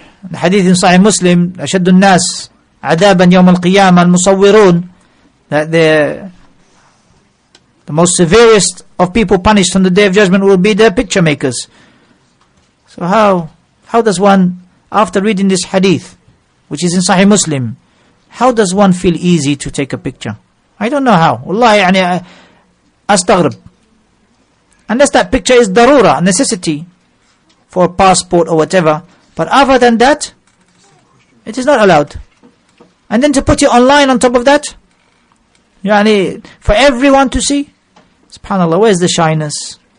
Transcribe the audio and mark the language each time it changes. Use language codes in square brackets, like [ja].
[en] The hadith in Sahih Muslim, [ar] أَشَدُّ النَّاسِ عَذَابًا يَوْمَ الْقِيَامَةِ الْمُصَوِّرُونَ, [en] that the most severest of people punished on the Day of Judgment will be the picture makers. So how does one, after reading this hadith, which is in Sahih Muslim, how does one feel easy to take a picture? I don't know how. [ar] Wallahi, يعني, أستغرب. [en] Unless that picture is darura, a necessity for a passport or whatever. But other than that, it is not allowed. And then to put it online on top of that, يعني, for everyone to see, SubhanAllah, where's the shyness?